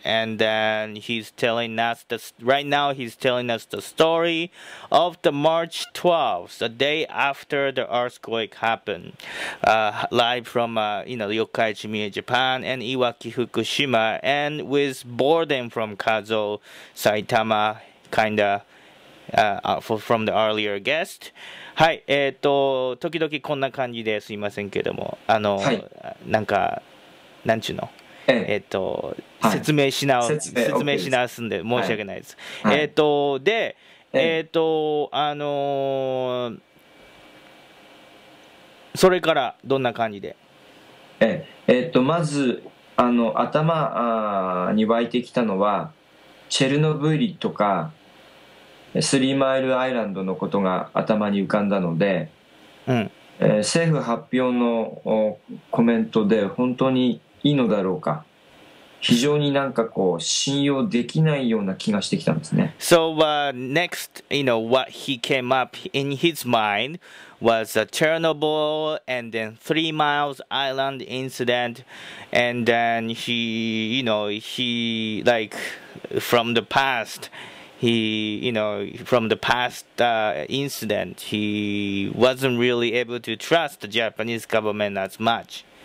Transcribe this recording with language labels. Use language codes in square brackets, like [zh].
[en] And then he's telling us, right now he's telling us the story of the March 12th, the day after the earthquake happened, live from, Yokkaichi, Japan, and Iwaki, Fukushima, and with Borden from Kazuo, Saitama, kinda, from the earlier guest. [ja] はい、時々こんな感じですいませんけども、はい、なんか、なんちゅうの、はい、説明し直すんで申し訳ないです。はい、で、それからどんな感じで、まず、頭に湧いてきたのは、チェルノブイリとか、スリーマイルアイランドのことが頭に浮かんだので、うん、政府発表のコメントで本当にいいのだろうか、非常になんかこう信用できないような気がしてきたんですね。 [en] So next, you know, what he came up in his mind was a Chernobyl and then Three Miles Island incident, and then he, you know, he like from the pastHe, you know, from the past incident, he wasn't really able to trust the Japanese government as much.